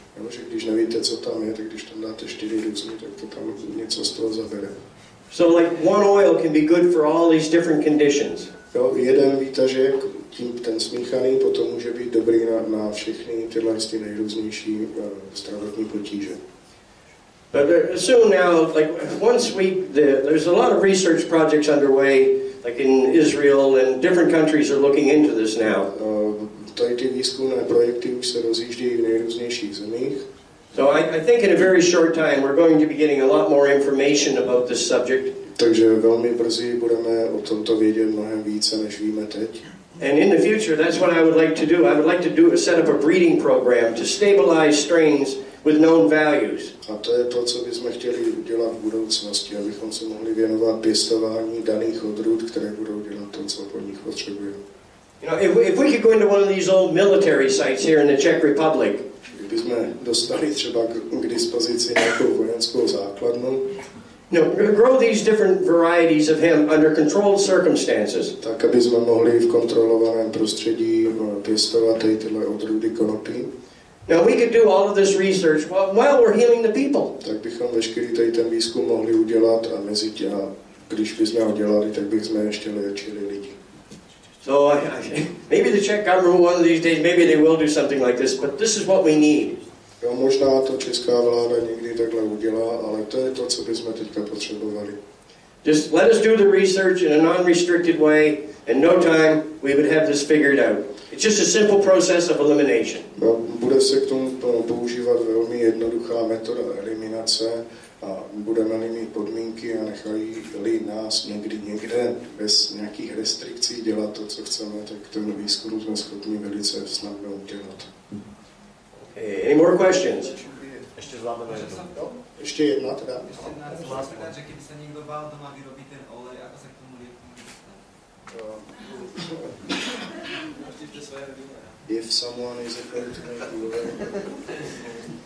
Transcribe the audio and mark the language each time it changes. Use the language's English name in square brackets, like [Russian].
[Czech] Jo, že když nevíte, co tam je, tak když tam dáte čtyři různé, tak to tam něco z toho zabere. [English] So like one oil can be good for all these different conditions. [Czech] Jo, jeden výtažek, tím ten smíchaný, potom může být dobrý na všechny tyhle ty nejrůznější zdravotní potíže. [English] But soon now, like once we, there's a lot of research projects underway, like in Israel, and different countries are looking into this now. [Czech] Tady ty výzkumné projekty už se rozjíždí v nejrůznějších zemích. [English] So I think in a very short time we're going to be getting a lot more information about this subject. [Czech] Takže velmi brzy budeme o tomto vědět mnohem více, než víme teď. [English] And in the future, that's what I would like to do. I would like to do a set up a breeding program to stabilize strains with known values. [Czech] A to je to, co bychom chtěli udělat v budoucnosti, abychom se mohli věnovat pěstování daných odrůd, které budou dělat to, co po nich potřebujeme. [English] You know, if we could go into one of these old military sites here in the Czech Republic. [Czech] Kdybychom dostali třeba k dispozici nějakou vojenskou základnu. [English] No, grow these different varieties of hemp under controlled circumstances. [Czech] Tak aby jsme mohli v kontrolovaném prostředí pěstovat tyhle odrůdy konopí. [English] Now we could do all of this research while we're healing the people. [Czech] Tak bychom veškerý tady ten výzkum mohli udělat a mezi tím, když bychom ho dělali, tak bychom ještě léčili lidi. [English] So maybe the Czech government one of these days, maybe they will do something like this, but this is what we need. [Czech] Jo, možná to česká vláda někdy takhle udělá, ale to je to, co bychom teďka potřebovali. [English] Just let us do the research in a non-restricted way, in no time we would have this figured out. It's just a simple process of elimination. [Czech] No, bude se k tomu používat velmi jednoduchá metoda eliminace a budeme mít podmínky a nechají nás někde bez nějakých restrikcí dělat to, co chceme, tak ten výzkum jsme schopni velice snadno udělat. [English] Any more questions? [Czech] Ještě zvládneme jednu. Ještě jedna teda. Že kdyby se někdo bál doma vyrobit ten olej, jako se k tomu lidi [English] If someone is going to make you olej.